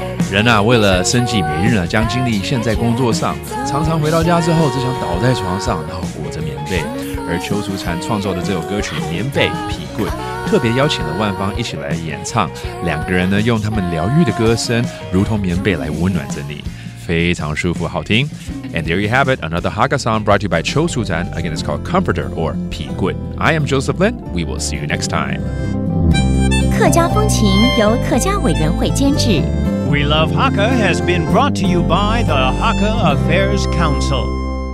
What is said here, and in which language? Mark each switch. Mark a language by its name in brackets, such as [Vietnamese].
[Chinese] 人啊，为了生计每日呢，将精力献在工作上，常常回到家之后只想倒在床上，然后裹着棉被。而邱淑蟬创作的这首歌曲《棉被》疲憊，特别邀请了万芳一起来演唱。两个人呢，用他们疗愈的歌声，如同棉被来温暖着你，非常舒服，好听。 [English] And there you have it, another Hakka song brought to you by Chiu Shu Chan. Again, it's called Comforter or 疲憊.I am Joseph Lin. We will see you next time. [Chinese] 客家风情由客家委员会监制。 [English] We Love Hakka has been brought to you by the Hakka Affairs Council.